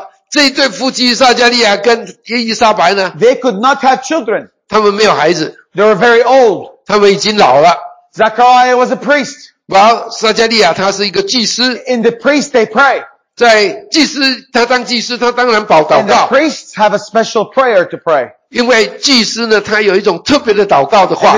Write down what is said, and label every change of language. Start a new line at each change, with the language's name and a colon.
Chinese: 这一对夫妻撒迦利亚跟伊丽莎白呢,
English: they could not have children.
Chinese: 他们没有孩子。
English: They were very old.
Chinese: 他们已经老了。
English: Zechariah was a priest.
Chinese: Well, 撒迦利亚他是一个祭司。
English: In the priest they pray.
Chinese: 在祭司,他当祭司,他当然祷告。
English: And the priests have a special prayer to pray.
Chinese: 因为祭司呢,他有一种特别的祷告的话。